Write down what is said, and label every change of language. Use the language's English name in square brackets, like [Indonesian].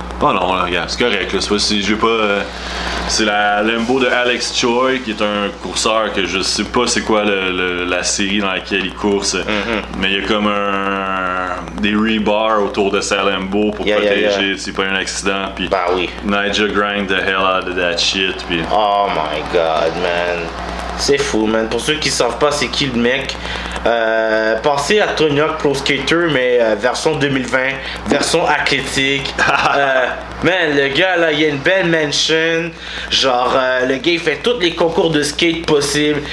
[French] Oh non, là, regarde, c'est correct, là. C'est pas si j'ai pas. C'est la Lambo de Alex Choi, qui est un courseur que je sais pas c'est quoi la série dans laquelle il course. Mm-hmm. Mais il y a comme des rebar autour de sa Lambo pour protéger s'il n'y a pas un accident. Puis bah oui. [English] Naija grind the hell out of that shit. [French] Puis. [English] Oh my god, man. [French] C'est fou, [English] man. [French] Pour ceux qui savent pas c'est qui le mec, pensez à Tony Hawk Pro Skater, mais version 2020, version athlétique. Man, le gars là, il y a une belle mansion. Genre, le gars il fait tous les concours de skate possibles.